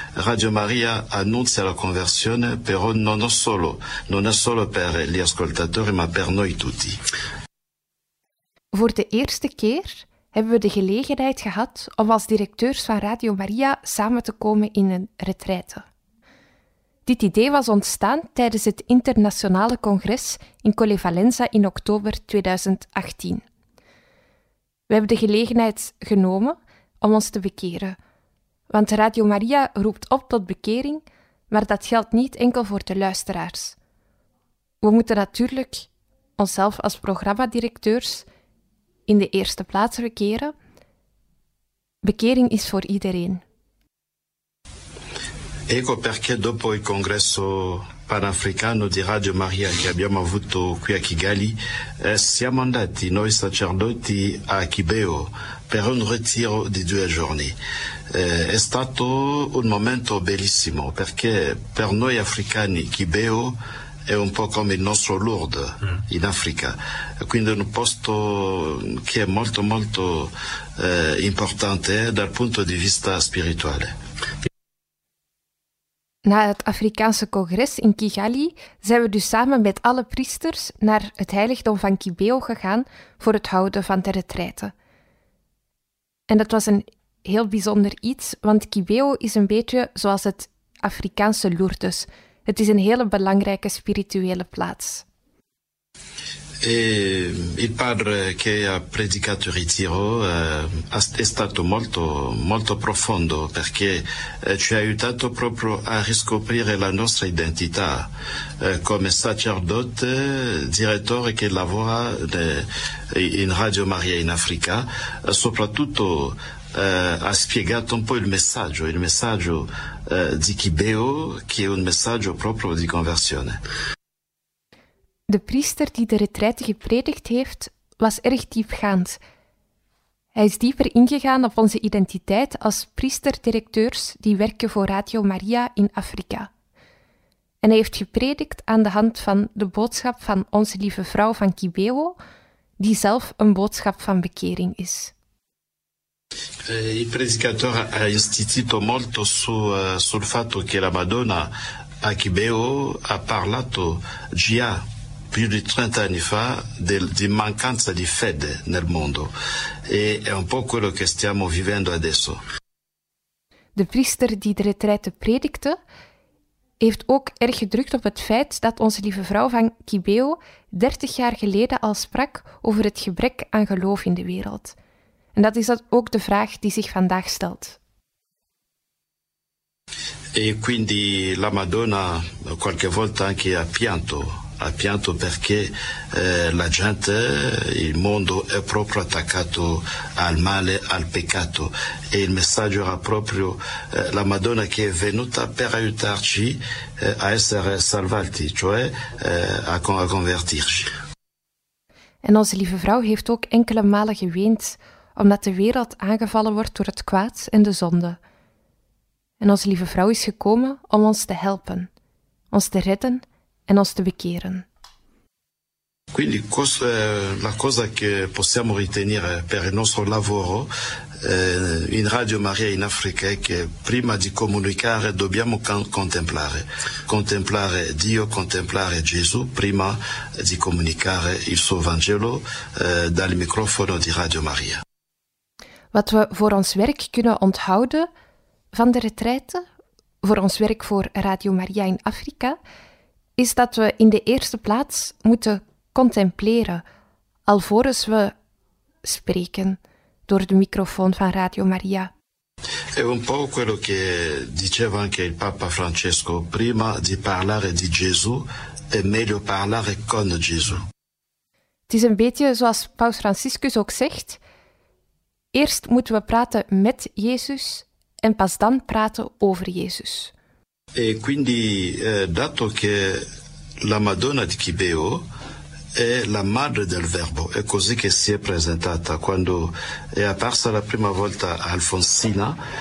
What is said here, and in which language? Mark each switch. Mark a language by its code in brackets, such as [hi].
[it] Radio Maria annuncia la conversione, però non è solo per gli ascoltatori, ma per noi tutti. [nl] Voor de eerste keer hebben we de gelegenheid gehad om als directeurs van Radio Maria samen te komen in een retraite. Dit idee was ontstaan tijdens het internationale congres in Collevalenza in oktober 2018. We hebben de gelegenheid genomen om ons te bekeren, want Radio Maria roept op tot bekering, maar dat geldt niet enkel voor de luisteraars. We moeten natuurlijk onszelf als programmadirecteurs in de eerste plaats bekeren. Bekering is voor iedereen. [it] Ecco perché dopo il congresso panafricano di Radio Maria che abbiamo avuto qui a Kigali, siamo andati noi sacerdoti a Kibeo per un ritiro di due giorni. È stato un momento bellissimo perché per noi africani Kibeo è un po' come il nostro Lourdes in Africa, quindi un posto che è molto molto importante dal punto di vista spirituale. [nl] Na het Afrikaanse congres in Kigali zijn we dus samen met alle priesters naar het heiligdom van Kibeo gegaan voor het houden van de retraite. En dat was een heel bijzonder iets, want Kibeo is een beetje zoals het Afrikaanse Lourdes. Het is een hele belangrijke spirituele plaats. [it] Il padre che ha predicato il ritiro è stato molto, molto profondo perché ci ha aiutato proprio a riscoprire la nostra identità come sacerdote, direttore che lavora in Radio Maria in Africa, soprattutto ha spiegato un po' il messaggio di Kibeo, che è un messaggio proprio di conversione. [nl] De priester die de retraite gepredikt heeft, was erg diepgaand. Hij is dieper ingegaan op onze identiteit als priesterdirecteurs die werken voor Radio Maria in Afrika. En hij heeft gepredikt aan de hand van de boodschap van Onze Lieve Vrouw van Kibeo, die zelf een boodschap van bekering is. [it] Il predicatore ha insistito molto sul fatto che la Madonna a Kibeo ha parlato già più di 30 anni fa di mancanza di fede nel mondo. E è un po' quello che stiamo vivendo adesso. [nl] De priester die de retraite predikte, heeft ook erg gedrukt op het feit dat Onze Lieve Vrouw van Kibeo 30 jaar geleden al sprak over het gebrek aan geloof in de wereld. En dat is dat ook de vraag die zich vandaag stelt. [it] E quindi la Madonna qualche volta anche ha pianto. Ha pianto perché la gente, il mondo è proprio attaccato al male, al peccato. E il messaggio era proprio la Madonna che è venuta per aiutarci a essere salvati, cioè a convertirci. [nl] En Onze Lieve Vrouw heeft ook enkele malen geweend, omdat de wereld aangevallen wordt door het kwaad en de zonde. En Onze Lieve Vrouw is gekomen om ons te helpen, ons te redden en ons te bekeren. [it] Quindi la cosa che possiamo ritenere per il nostro lavoro in Radio Maria in Africa è che prima di comunicare dobbiamo contemplare. Contemplare Dio, contemplare Gesù prima di comunicare il suo Vangelo dal microfono di Radio Maria. [nl] Wat we voor ons werk kunnen onthouden van de retraite, voor ons werk voor Radio Maria in Afrika, is dat we in de eerste plaats moeten contempleren, alvorens we spreken door de microfoon van Radio Maria. [it] È un po' quello che diceva anche il Papa Francesco, prima di parlare di Gesù è meglio parlare con Gesù. [nl] Het is een beetje zoals Paus Franciscus ook zegt, eerst moeten we praten met Jezus en pas dan praten over Jezus. [it] E quindi, dato che la Madonna di Kibeo è la madre del Verbo, è così che si è presentata quando è apparsa la prima volta Alfonsina.